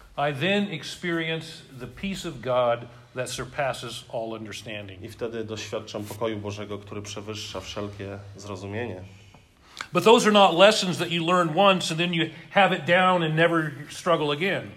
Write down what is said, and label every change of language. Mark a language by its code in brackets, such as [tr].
[en] I then experience the peace of God that surpasses all understanding. [pl] I wtedy doświadczam pokoju Bożego, który przewyższa wszelkie zrozumienie. [en] But those are not lessons that you learn once and then you have it down and never struggle again.